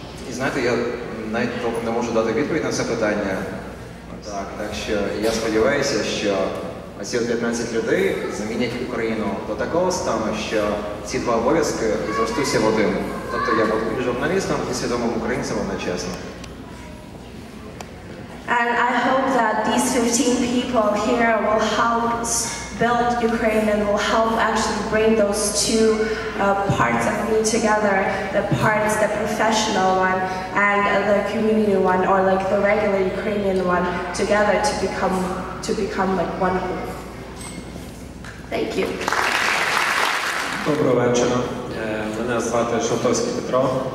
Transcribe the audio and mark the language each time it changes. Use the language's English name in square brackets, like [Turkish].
[Ukrainian] І знаєте, я навіть тобто, не можу дати відповідь на це питання. Так що я сподіваюся, що ці 15 людей замінять Україну до такого стану, що ці два обов'язки зростуться в один. Тобто я буду і журналістом, і свідомим українцем одночасно. [English] And I hope that these 15 people here will help build Ukraine and will help actually bring those two parts of me together, the parts, the professional one and the community one, or like the regular Ukrainian one, together to become like one group. Thank you. [Ukrainian] Доброго вечора. Мене звати Шовтовський Петро.